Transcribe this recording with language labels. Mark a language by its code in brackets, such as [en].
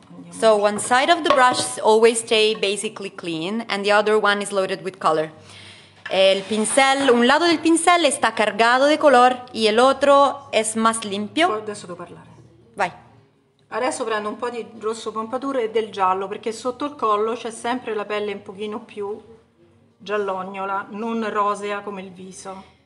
[en] So one side of the brush always stay basically clean and the other one is loaded with color. [es] El pincel, un lado del pincel está cargado de color y el otro es más limpio. [it] Adesso devo parlare. Vai. Adesso prendo un po' di rosso Pompadour e del giallo perché sotto il collo c'è sempre la pelle un pochino più giallognola, non rosea come il viso.